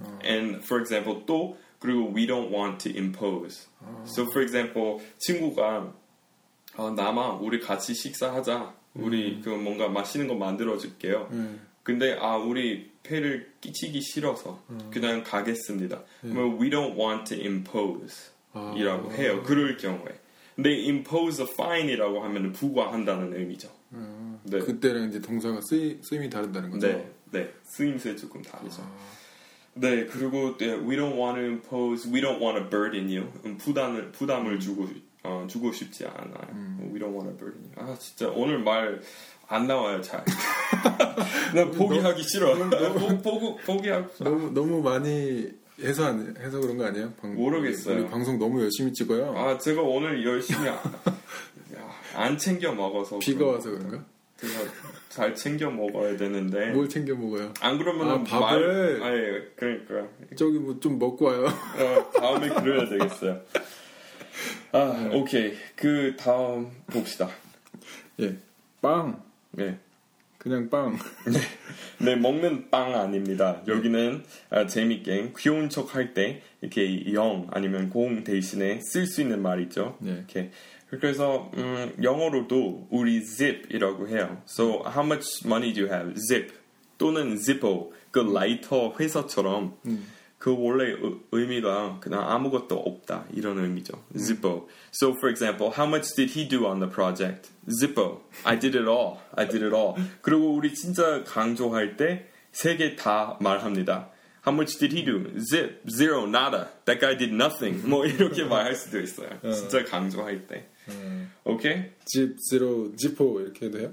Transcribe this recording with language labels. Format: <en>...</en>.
<en>And for example, 또 그리고 we don't want to impose.</en> <ko>So for example, 친구가 남아 우리 같이 식사하자. 우리 그 뭔가 맛있는 거 만들어 줄게요. 근데 아 우리 폐를 끼치기 싫어서 그냥 가겠습니다. 뭐 we don't want to impose 이라고 해요. 그럴 경우에. 근데 impose a fine이라고 하면 부과한다는 의미죠. 네. 그때는 이제 동사가 쓰임이 다른다는 거죠. 네, 네. 쓰임새 조금 다르죠.</ko> <en>네, 그리고 we don't want to impose, we don't want to burden you. 부담을 주고</en> <ko>죽고 싶지 않아. We don't want to burn. 아 진짜 오늘 말 안 나와요 잘. 나 포기하기 싫어. 포기하고 싶어. 너무 많이 해서 그런 거 아니에요? 모르겠어요. 우리 방송 너무 열심히 찍어요. 아 제가 오늘 열심히 안 챙겨 먹어서. 비가 와서 그런가? 제가 잘 챙겨 먹어야 되는데. 뭘 챙겨 먹어요? 안 그러면 밥을. 아예 그러니까. 저기 뭐 좀 먹고 와요. 다음에 그래야 되겠어요. 아 네. 오케이 그 다음 봅시다. 예 빵. 예 그냥 빵. 네. 네 먹는 빵 아닙니다. 여기는 재밌게 귀여운 척 할 때 이렇게 0 아니면 0 대신에 쓸 수 있는 말이죠. 네. 이렇게 그래서 영어로도 우리 zip이라고 해요.</ko> <en>So how much money do you have? Zip 또는 zippo 그 라이터 회사처럼.</en> <ko>그 원래 의미가 그냥 아무것도 없다 이런 의미죠.</ko> <en>Zippo. So for example, how much did he do on the project? Zippo. I did it all. I did it all.</en> <ko>그리고 우리 진짜 강조할 때 세 개 다 말합니다.</ko> <en>How much did he do? Zip. Zero. Nada. That guy did nothing.</en> <ko>뭐 이렇게 말할 수도 있어요. 진짜 강조할 때. Okay? Zip. Zero. Zippo 이렇게 해도 돼요?</ko>